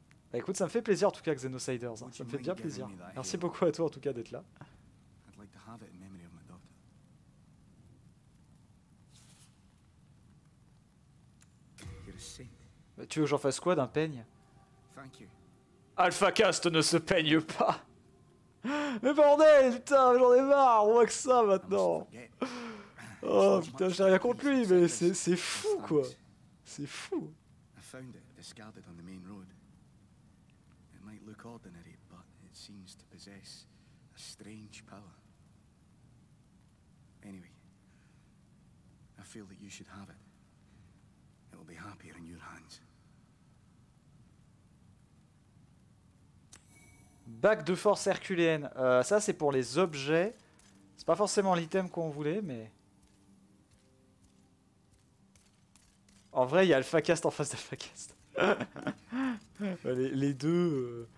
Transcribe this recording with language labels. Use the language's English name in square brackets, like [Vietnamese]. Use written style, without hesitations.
[French] Bah écoute, ça me fait plaisir en tout cas, Xenosiders. Hein. Ça me fait bien plaisir. Merci beaucoup à toi en tout cas d'être là. [English] I'd like to have it in memory of my daughter. You're a saint. [French] Bah, tu veux que j'en fasse quoi d'un peigne? Alpha Cast ne se peigne pas. Mais bordel, putain, j'en ai marre, on voit que ça maintenant. Oh putain, j'ai rien contre lui, mais c'est fou quoi. C'est fou. [English] I found it discarded on the main road. It might look ordinary, but seems to possess a strange power. Anyway, I feel that you should have it. It'll be happier in your hands. [French] Bac de force herculéenne. Ça, c'est pour les objets. C'est pas forcément l'item qu'on voulait, mais... En vrai, il y a AlphaCast en face d'AlphaCast. les deux...